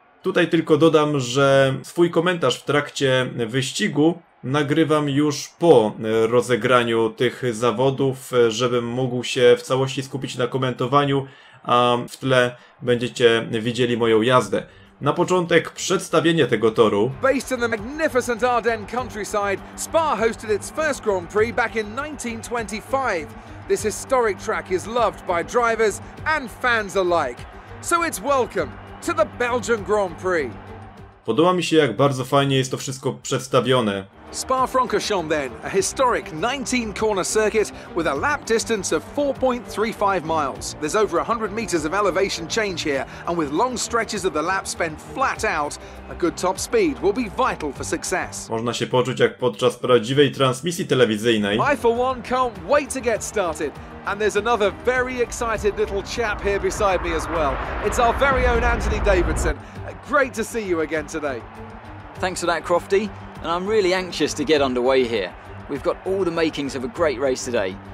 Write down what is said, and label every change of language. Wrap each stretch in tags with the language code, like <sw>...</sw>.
<pl>Tutaj tylko dodam, że swój komentarz w trakcie wyścigu nagrywam już po rozegraniu tych zawodów, żebym mógł się w całości skupić na komentowaniu, a w tle będziecie widzieli moją jazdę. Na początek przedstawienie tego toru.</pl> <en>Based in the magnificent Ardennes countryside, Spa hosted its first Grand Prix back in 1925. This historic track is loved by drivers and fans alike. So it's welcome to the Belgian Grand Prix.</en> <pl>Podoba mi się, jak bardzo fajnie jest to wszystko przedstawione.</pl> <en>Spa-Francorchamps then, a historic 19-corner circuit with a lap distance of 4.35 miles. There's over 100 meters of elevation change here, and with long stretches of the lap spent flat out, a good top speed will be vital for success.</en> <pl>Można się poczuć jak podczas prawdziwej transmisji telewizyjnej.</pl> <en>I for one can't wait to get started. And there's another very excited little chap here beside me as well. It's our very own Anthony Davidson. Great to see you again today. Thanks for that, Crofty. And I'm really anxious to get underway here. We've got all the makings of a great race today.</en>